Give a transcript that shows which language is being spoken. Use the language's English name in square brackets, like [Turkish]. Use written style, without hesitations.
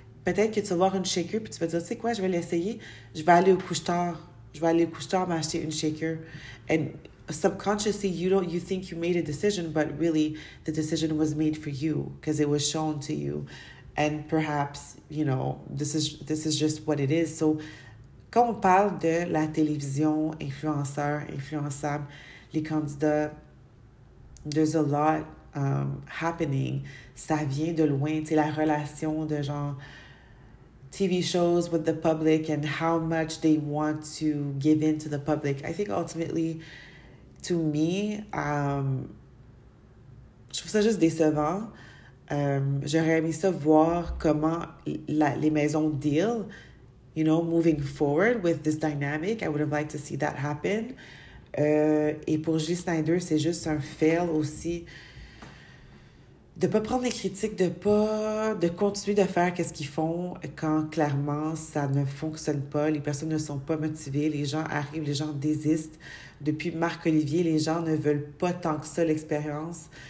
[French] Peut-être que tu vas voir une shaker puis tu vas dire, tu sais quoi, je vais l'essayer. Je vais aller au couche-tard. Je vais aller au couche-tard m'acheter une shaker. [English] And subconsciously, you think you made a decision, but really, the decision was made for you because it was shown to you. And perhaps, you know, this is just what it is. [French] So, quand on parle de la télévision, influenceur, influençable, les candidats, [English] there's a lot happening. [French] Ça vient de loin. Tu sais, la relation de genre... [English] TV shows with the public and how much they want to give in to the public. I think ultimately, to me, [French] je trouve ça juste décevant. J'aurais aimé ça voir comment les maisons deal, [English] you know, moving forward with this dynamic. I would have liked to see that happen. [French] Et pour Julie Snyder, c'est juste un fail aussi de pas prendre les critiques, de continuer de faire qu'est-ce qu'ils font quand clairement ça ne fonctionne pas, les personnes ne sont pas motivées, les gens arrivent, les gens désistent. Depuis Marc-Olivier, les gens ne veulent pas tant que ça l'expérience.